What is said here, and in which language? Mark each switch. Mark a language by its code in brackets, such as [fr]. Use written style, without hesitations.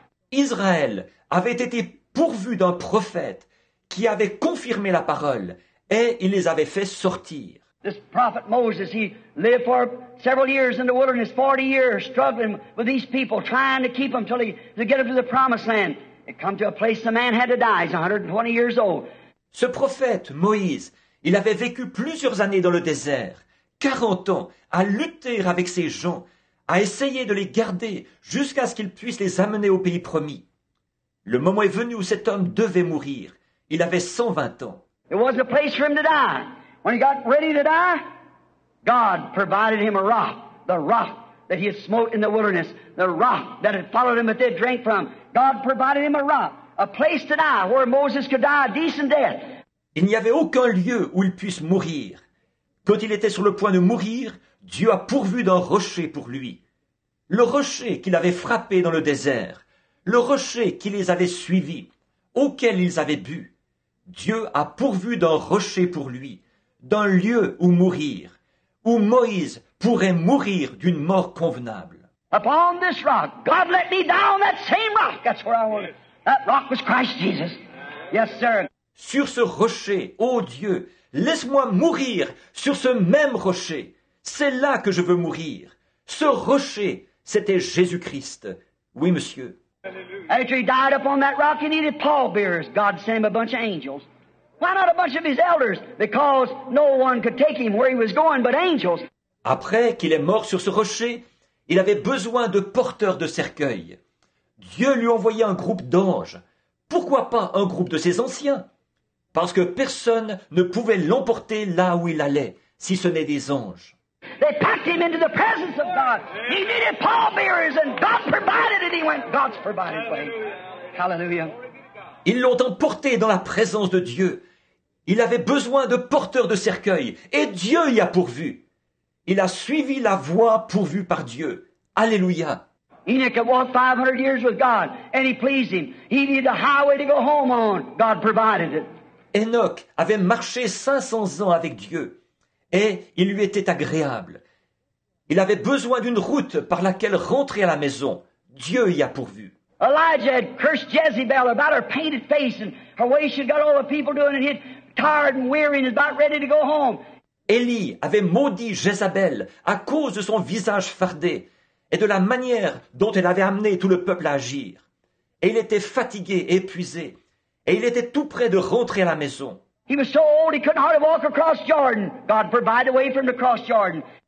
[fr] Israël avait été pourvu d'un prophète qui avait confirmé la parole et il les avait fait sortir. [en] This prophet Moses, he lived for several years in the wilderness, 40 years, struggling with these people, trying to keep them till to get them to the promised land. It come to a place the man had to die. He's 120 years old. [fr] Ce prophète Moïse, il avait vécu plusieurs années dans le désert, 40 ans, à lutter avec ces gens, à essayer de les garder jusqu'à ce qu'ils puissent les amener au pays promis. Le moment est venu où cet homme devait mourir. Il avait 120 ans. [en] It was a place for him to die. When he got ready to die, God provided him a rock, the rock that he had smote in the wilderness, the rock that had followed him that they drank from. God provided him a rock, a place to die where Moses could die a decent death. [fr] Il n'y avait aucun lieu où il puisse mourir. Quand il était sur le point de mourir, Dieu a pourvu d'un rocher pour lui. Le rocher qu'il avait frappé dans le désert, le rocher qui les avait suivis, auquel ils avaient bu. Dieu a pourvu d'un rocher pour lui. D'un lieu où mourir, où Moïse pourrait mourir d'une mort convenable. [en] Upon this rock, God let me die on that same rock. That's where I want it. That rock was Christ Jesus. Yes, sir. [fr] Sur ce rocher, ô Dieu, laisse-moi mourir sur ce même rocher. C'est là que je veux mourir. Ce rocher, c'était Jésus-Christ. Oui, monsieur. [en] After he died upon that rock, he needed pallbearers. God sent him a bunch of angels. Why not a bunch of his elders? Because no one could take him where he was going but angels. [fr] Après qu'il est mort sur ce rocher, il avait besoin de porteurs de cercueil. Dieu lui envoya un groupe d'anges. Pourquoi pas un groupe de ses anciens? Parce que personne ne pouvait l'emporter là où il allait, si ce n'est des anges. [en] They packed him into the presence of God. He needed pallbearers and God provided it. He went, God's provided way. Hallelujah. [fr] Ils l'ont emporté dans la présence de Dieu. Il avait besoin de porteurs de cercueil et Dieu y a pourvu. Il a suivi la voie pourvue par Dieu. Alléluia. [en] Enoch a walked 500 years with God and he pleased him. He needed a highway to go home on. God provided it. [fr] Enoch avait marché 500 ans avec Dieu et il lui était agréable. Il avait besoin d'une route par laquelle rentrer à la maison. Dieu y a pourvu. [en] Elijah had cursed Jezebel about her painted face and her way she got all the people doing and he'd tired and weary and is about ready to go home. [fr] Élie avait maudit Jézabel à cause de son visage fardé et de la manière dont elle avait amené tout le peuple à agir. Et il était fatigué et épuisé et il était tout près de rentrer à la maison. [en] He was so old he couldn't hardly walk across Jordan. God provided a way for him to cross Jordan.